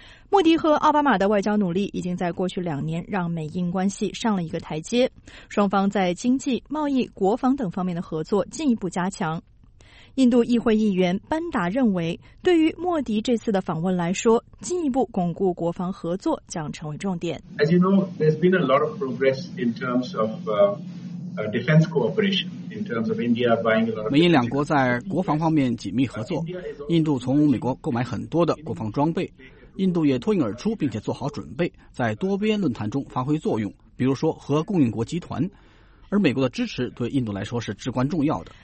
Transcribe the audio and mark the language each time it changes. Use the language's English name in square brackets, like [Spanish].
[Chinese] 莫迪和奥巴马的外交努力已经在过去两年让美印关系上了一个台阶，双方在经济、贸易、国防等方面的合作进一步加强。印度议会议员班达认为，对于莫迪这次的访问来说，进一步巩固国防合作将成为重点。 [English] As you know, there's been a lot of progress in terms of defense cooperation. In terms of India buying a lot of. [Chinese] 美印两国在国防方面紧密合作，印度从美国购买很多的国防装备，印度也脱颖而出，并且做好准备，在多边论坛中发挥作用，比如说和供应国集团。而美国的支持对印度来说是至关重要的。